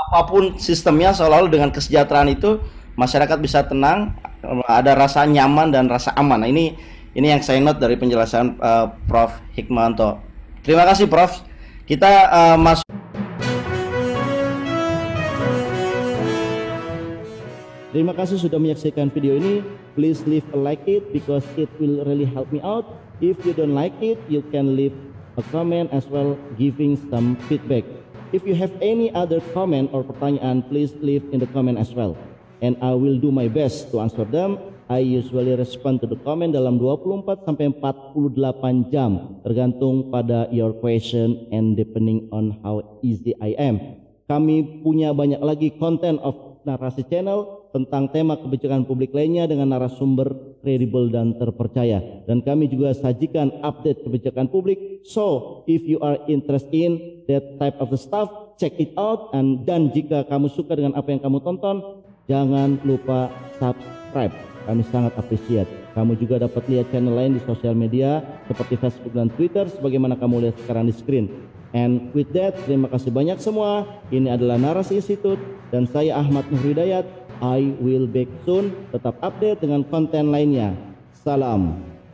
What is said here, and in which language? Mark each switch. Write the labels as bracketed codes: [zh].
[id] apapun sistemnya, seolah-olah dengan kesejahteraan itu masyarakat bisa tenang, ada rasa nyaman dan rasa aman. Nah, ini yang saya note dari penjelasan Prof. Hikmanto. Terima kasih Prof. Kita masuk. Terima kasih sudah menyaksikan video ini. [en] Please leave a like it because it will really help me out. If you don't like it, you can leave a comment as well, giving some feedback. If you have any other comment or pertanyaan, please leave in the comment as well. And I will do my best to answer them. I usually respond to the comment [id] dalam 24 sampai 48 jam, tergantung pada [en] your question and depending on how easy I am. [id] Kami punya banyak lagi [en] content of Narasi Channel [id] tentang tema kebijakan publik lainnya dengan narasumber kredibel dan terpercaya. Dan kami juga sajikan update kebijakan publik. [en] So, if you are interested in that type of the stuff, check it out. [id] Dan jika kamu suka dengan apa yang kamu tonton, jangan lupa subscribe. Kami sangat appreciate. Kamu juga dapat lihat channel lain di sosial media seperti Facebook dan Twitter sebagaimana kamu lihat sekarang di screen. [en] And with that, [id] terima kasih banyak semua. Ini adalah Narasi Institute dan saya Ahmad Nur Hidayat. [en] I will back soon. [id] Tetap update dengan konten lainnya. Salam.